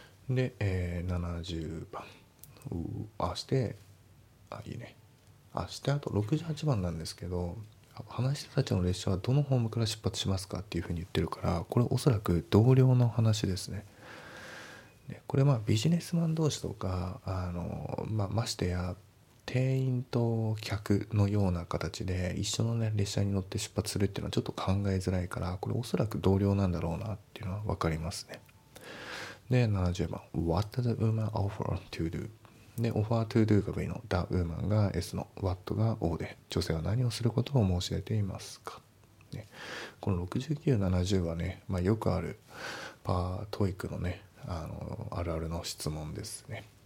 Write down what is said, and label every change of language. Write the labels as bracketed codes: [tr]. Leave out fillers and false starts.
[ja] で、70番、あと68番なんですけど、話し手たちの列車はどのホームから出発しますかっていうふうに言ってるから、これおそらく同僚の話ですね。でこれまあビジネスマン同士とか、あの、まあ、ましてや店員と客のような形で一緒のね列車に乗って出発するっていうのはちょっと考えづらいから、これおそらく同僚なんだろうなっていうのは分かりますね。 [en] で70番、 What does the woman offer to do? [ja] でオファー to do が V の The Woman が S の What が O で、女性は何をすることを申し出ていますか、ね、この69、70はね、まあ、よくあるパートイックのね、あの、あるあるの質問ですね。